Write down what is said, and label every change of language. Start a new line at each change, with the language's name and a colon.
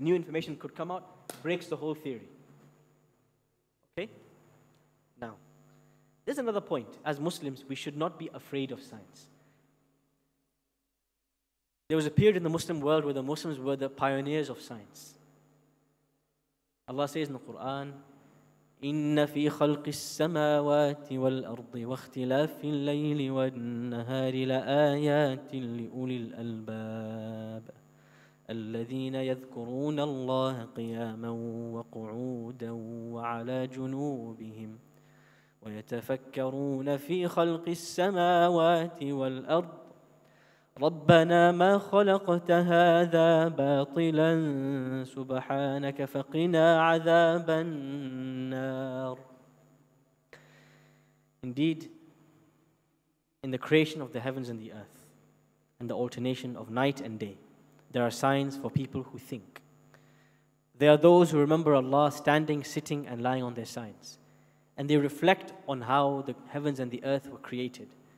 English: New information could come out. Breaks the whole theory. Okay? Now, there's another point. As Muslims, we should not be afraid of science. There was a period in the Muslim world where the Muslims were the pioneers of science. Allah says in the Quran,
Arabic: إِنَّ فِي خَلْقِ السَّمَاوَاتِ وَالْأَرْضِ وَاخْتِلَافِ اللَّيْلِ وَالنَّهَارِ لَآيَاتٍ لِأُولِي الْأَلْبَابِ الَّذِينَ يَذْكُرُونَ اللَّهَ قِيَامًا وَقُعُودًا وَعَلَى جُنُوبِهِمْ وَيَتَفَكَّرُونَ فِي خَلْقِ السَّمَاوَاتِ وَالْأَرْضِ رَبَّنَا مَا خَلَقْتَ هَذَا بَاطِلًا سُبْحَانَكَ فَقِنَا عَذَابَ النَّارِ.
English: Indeed, in the creation of the heavens and the earth, and the alternation of night and day, there are signs for people who think. There are those who remember Allah standing, sitting, and lying on their signs. And they reflect on how the heavens and the earth were created.